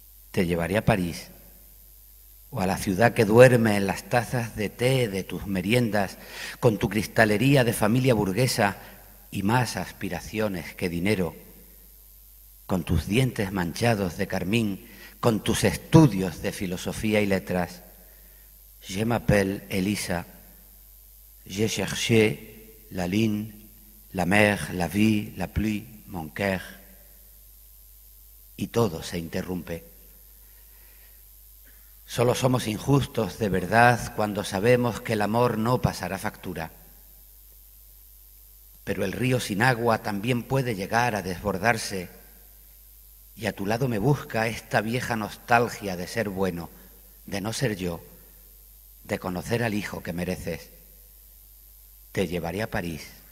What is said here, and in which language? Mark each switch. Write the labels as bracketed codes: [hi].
[es] Te llevaré a París, o a la ciudad que duerme en las tazas de té de tus meriendas, con tu cristalería de familia burguesa y más aspiraciones que dinero, con tus dientes manchados de carmín, con tus estudios de filosofía y letras. [fr] Je m'appelle Elisa, je cherché la ligne, la mer, la vie, la pluie, mon cœur. [es] Y todo se interrumpe. Solo somos injustos de verdad cuando sabemos que el amor no pasará factura. Pero el río sin agua también puede llegar a desbordarse. Y a tu lado me busca esta vieja nostalgia de ser bueno, de no ser yo, de conocer al hijo que mereces. Te llevaré a París.